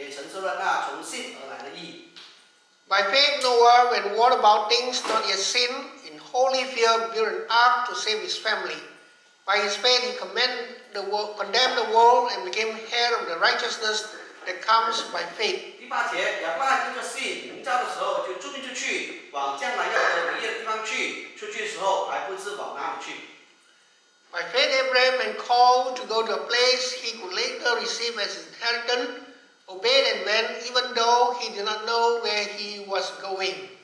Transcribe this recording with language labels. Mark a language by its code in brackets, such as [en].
[zh] 若因着信，既蒙神指示他未见的事，动了敬畏的心，预备了一方舟，使他全家得救，因此就定了那时代的罪，自己也承受了那从信而来的义。 [en] By faith Noah, when warned about things not yet seen, in holy fear built an ark to save his family. By his faith he condemned the world and became heir of the righteousness that comes by faith. [zh] 第八节，亚伯拉罕就信，临终的时候就遵命就去，往将来要得为业的地方去。出去时候还不知往哪里去。 [en] By faith Abraham, when called to go to a place he could later receive as inheritance, obeyed and went, even though he did not know where he was going.